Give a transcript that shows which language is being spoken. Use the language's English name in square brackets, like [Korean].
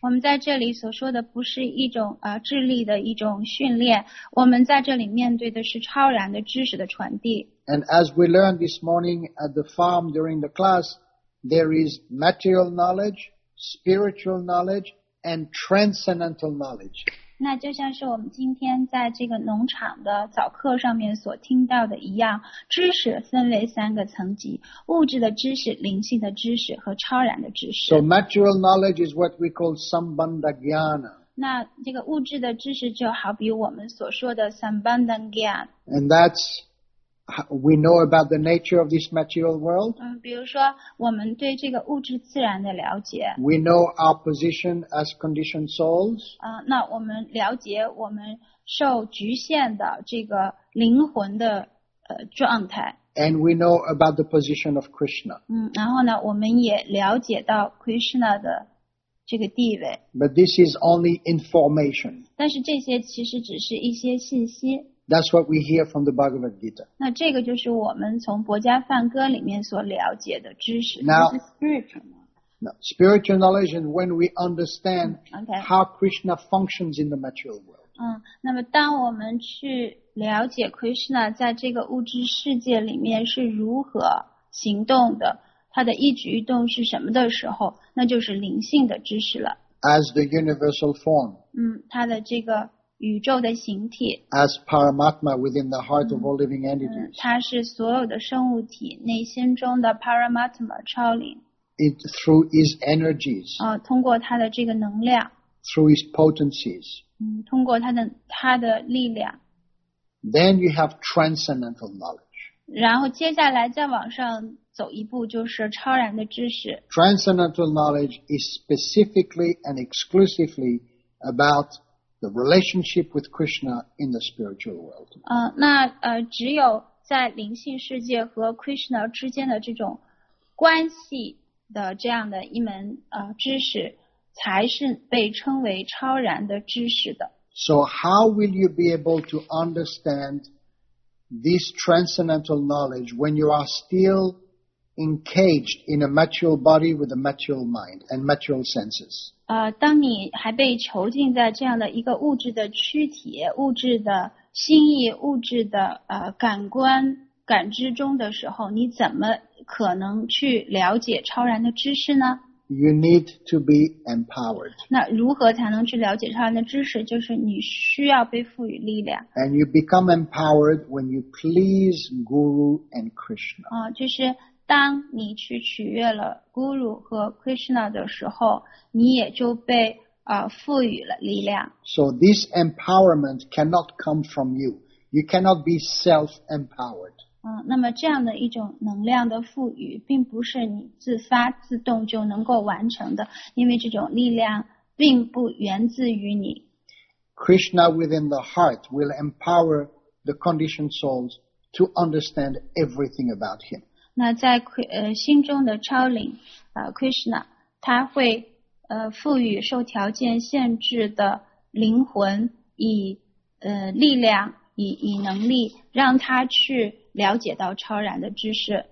[Chinese] 我们在这里所说的不是一种智力的一种训练，我们在这里面对的是超然的知识的传递。 [English] And as we learned this morning at the farm during the class, there is material knowledge, spiritual knowledge,and transcendental knowledge. [Chinese] 那就像是我们今天在这个农场的早课上面所听到的一样，知识分为三个层级，物质的知识、灵性的知识和超然的知识。 [English] So material knowledge is what we call sambandha jnana. [Chinese] 那这个物质的知识就好比我们所说的 sambandha jnana. [English] And that's we know about the nature of this material world. [Chinese] 比如说我们对这个物质自然的了解。 [English] We know our position as conditioned souls. [Chinese] 那我们了解我们受局限的这个灵魂的状态。 [English] And we know about the position of Krishna. [Chinese] 嗯，然后呢，我们也了解到 Krishna 的这个地位。 [English] But this is only information. [Chinese] 但是这些其实只是一些信息。 [English] That's what we hear from the Bhagavad Gita. [Chinese] 那这个就是我们从佛家梵歌里面所了解的知识。 [English] Now, spiritual knowledge is when we understand how Krishna functions in the material world. [Chinese] 嗯，那么当我们去了解 Krishna 在这个物质世界里面是如何行动的，他的一举一动是什么的时候，那就是灵性的知识了。 [English] As the universal form. [Chinese] 嗯，他的这个宇宙的形体。 [English] As Paramatma within the heart of all living entities. [Chinese] 嗯，他是所有的生物体内心中的 Paramatma 超灵。 [English] It through his energies. [Chinese] 啊，通过他的这个能量。 [English] Through his potencies. [Chinese] 嗯，通过他的力量。 [English] Then you have transcendental knowledge. [Chinese] 然后接下来再往上走一步就是超然的知识。 [English] Transcendental knowledge is specifically and exclusively about the relationship with Krishna in the spiritual world. [Chinese] 那只有在灵性世界和 Krishna 之间的这种关系的这样的一门知识才是被称为超然的知识的。 [English] So how will you be able to understand this transcendental knowledge when you are still encaged in a material body with a material mind and material senses? [Chinese] 当你还被囚禁在这样的一个物质的躯体、物质的心意、物质的感官感知中的时候，你怎么可能去了解超然的知识呢？ [English] You need to be empowered. [Chinese] 那如何才能去了解超然的知识？就是你需要被赋予力量。 [English] And you become empowered when you please Guru and Krishna. [Chinese] 就是当你去取悦了 Guru 和 Krishna 的时候，你也就被赋予了力量。 [English] So this empowerment cannot come from you. You cannot be self-empowered. [Chinese] 那么这样的一种能量的赋予并不是你自发自动就能够完成的，因为这种力量并不源自于你。 [English] Krishna within the heart will empower the conditioned souls to understand everything about him. [Chinese] 那在心中的超灵Krishna 他会赋予受条件限制的灵魂以力量以能力让他去了解到超然的知识。